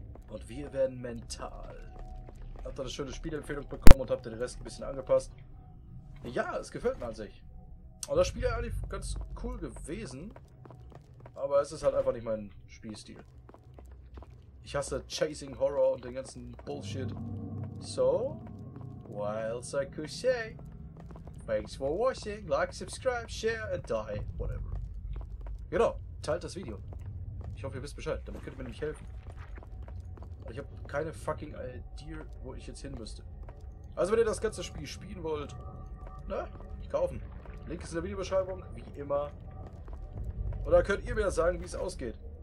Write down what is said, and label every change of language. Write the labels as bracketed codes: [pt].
[de] Und wir werden mental. Habt da eine schöne Spielempfehlung bekommen und habt den Rest ein bisschen angepasst. Ja, es gefällt mir an sich. Und das Spiel ist eigentlich ganz cool gewesen. Aber es ist halt einfach nicht mein Spielstil. Ich hasse Chasing Horror und den ganzen Bullshit. [en] So, whilst I could say, thanks for watching, like, subscribe, share and die, whatever. [de] Genau, teilt das Video. Ich hoffe, ihr wisst Bescheid, damit könnt ihr mir nämlich helfen. Aber ich habe keine fucking Idee, wo ich jetzt hin müsste. Also, wenn ihr das ganze Spiel spielen wollt, ne, kaufen. Link ist in der Videobeschreibung, wie immer. Oder könnt ihr mir sagen, wie es ausgeht?